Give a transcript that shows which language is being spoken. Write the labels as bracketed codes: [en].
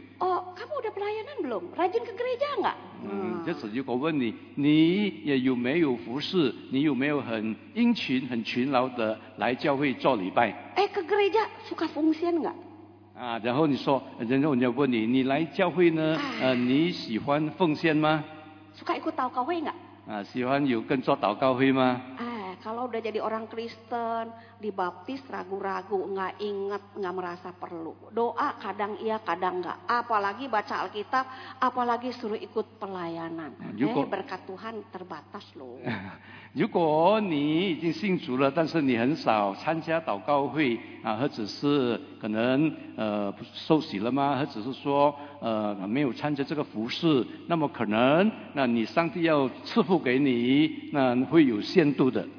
[id] oh, kamu udah pelayanan belum? rajin ke gereja nggak? [zh] 这次如果问你，你也有没有服事？你有没有很殷勤、很勤劳的来教会做礼拜？ [id] ke gereja suka fungsian nggak? [zh] 然后你说，然后人家问你，你来教会呢？你喜欢奉献吗？ [id] suka ikut祷告会nggak？ [zh] 喜欢有跟做祷告会吗？ [id] kalau kalau udah jadi orang Kristen, dibaptis ragu-ragu, enggak ingat, enggak merasa perlu. Doa kadang iya, kadang enggak. Apalagi baca Alkitab, apalagi suruh ikut pelayanan. Berkat Tuhan terbatas loh. [zh] 如果你已经信主了，但是你很少参加祷告会，啊，或者是可能受洗了吗？或者是说没有参加这个服事，那么可能那你上帝要赐福给你，那会有限度的。